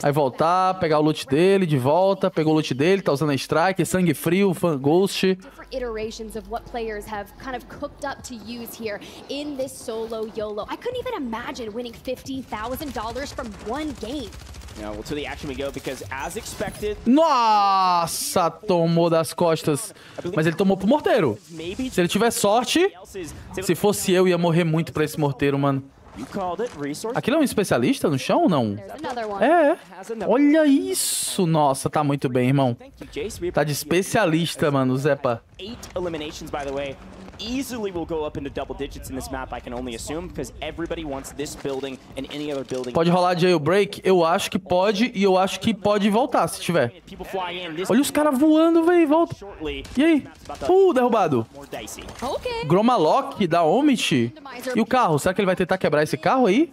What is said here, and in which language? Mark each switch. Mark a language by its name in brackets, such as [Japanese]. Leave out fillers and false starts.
[Portuguese] Aí voltar, pegar o loot dele de volta, pegou o loot dele, tá usando a strike, sangue frio, ghost. [English] Different iterations of what players have kind of cooked up to use here in this solo YOLO. I couldn't even imagine winning $50,000 from one game. Now, well, to the action we go, because as expected... [Portuguese] Nossa, tomou das costas. Mas ele tomou pro morteiro. Se ele tiver sorte, se fosse eu, ia morrer muito pra esse morteiro, mano. Aquilo é um especialista no chão ou não? É. Olha isso. Nossa, tá muito bem, irmão. Tá de especialista, mano, Zepa. [English] 8 eliminations, by the way. Easily will go up into double digits in this map, I can only assume, because everybody wants this building and any other building. [Portuguese] Pode rolar jailbreak? Eu acho que pode, e eu acho que pode voltar, se tiver. Olha os caras voando, véi, volta. E aí? Derrubado. Okay. Gromalok, da Omit. E o carro? Será que ele vai tentar quebrar esse carro aí?